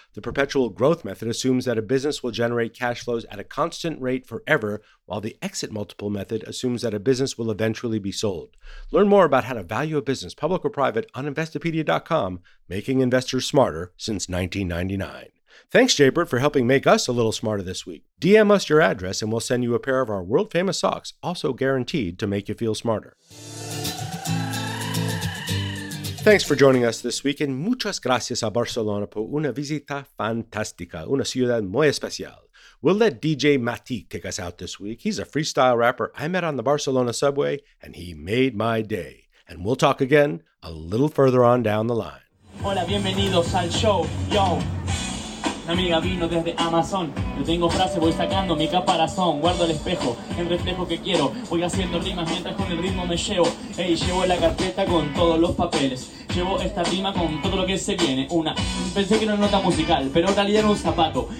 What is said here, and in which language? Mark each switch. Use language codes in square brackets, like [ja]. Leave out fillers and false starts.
[en] The perpetual growth method assumes that a business will generate cash flows at a constant rate forever, while the exit multiple method assumes that a business will eventually be sold. Learn more about how to value a business, public or private, on investopedia.com, making investors smarter since 1999. Thanks, JBird, for helping make us a little smarter this week. DM us your address and we'll send you a pair of our world-famous socks, also guaranteed to make you feel smarter. Thanks for joining us this week and [es] muchas gracias a Barcelona por una visita fantástica, una ciudad muy especial. [en] We'll let DJ Mati kick us out this week. He's a freestyle rapper I met on the Barcelona subway, and he made my day. And we'll talk again a little further on down the line. [es] Hola, bienvenidos al show, yo. Una amiga vino desde Amazon. Yo tengo frase, voy sacando mi caparazón. Guardo el espejo, el reflejo que quiero. Voy haciendo rimas mientras con el ritmo me llevo. Ey, llevo la carpeta con todos los papeles. Llevo esta rima con todo lo que se viene. Una, pensé que era una nota musical, pero en realidad era un zapato.